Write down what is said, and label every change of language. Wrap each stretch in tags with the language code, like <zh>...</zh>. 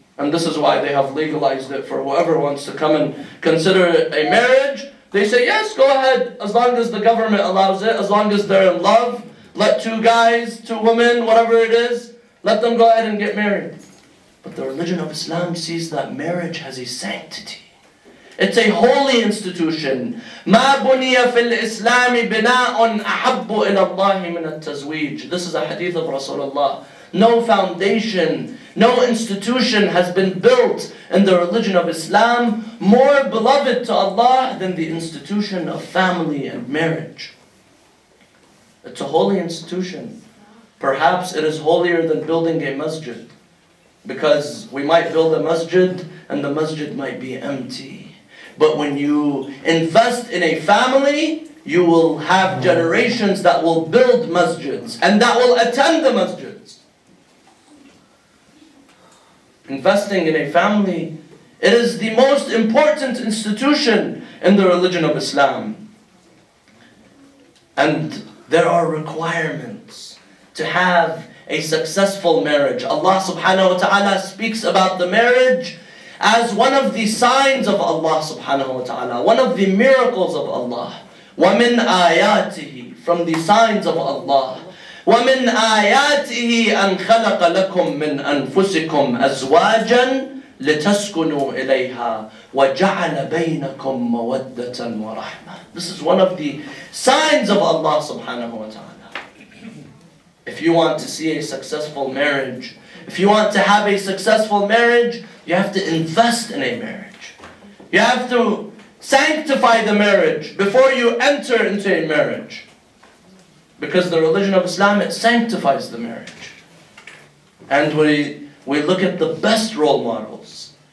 <en>And this is why they have legalized it for whoever wants to come and consider it a marriage. They say, yes, go ahead, as long as the government allows it, as long as they're in love, let two guys, two women, whatever it is, let them go ahead and get married. But the religion of Islam sees that marriage has a sanctity. It's a holy institution.</en> <ar>مَا بُنِيَ فِي الْإِسْلَامِ بِنَاءٌ أَحَبُّ إِلَى اللَّهِ مِنَ التَّزْوِيجِ</ar> <en>This is a hadith of Rasulullah. No foundation, no institution has been built in the religion of Islam more beloved to Allah than the institution of family and marriage. It's a holy institution. Perhaps it is holier than building a masjid. Because we might build a masjid and the masjid might be empty. But when you invest in a family, you will have generations that will build masjids and that will attend the masjids. Investing in a family, it is the most important institution in the religion of Islam. And there are requirements to have a successful marriage. Allah subhanahu wa ta'ala speaks about the marriage as one of the signs of Allah subhanahu wa ta'ala, one of the miracles of Allah.</en> <ar>وَمِنْ آيَاتِهِ</ar> <en>From the signs of Allah.</en> <ar>وَمِنْ آيَاتِهِ أَنْ خَلَقَ لَكُمْ مِنْ أَنفُسِكُمْ أَزْوَاجًا لِتَسْكُنُوا إِلَيْهَا وَجَعَلَ بَيْنَكُمْ مَوَدَّةً وَرَحْمَةً</ar> <en>This is one of the signs of Allah subhanahu wa ta'ala. If you want to see a successful marriage, if you want to have a successful marriage, you have to invest in a marriage. You have to sanctify the marriage before you enter into a marriage. Because the religion of Islam, it sanctifies the marriage. And we look at the best role models.</en>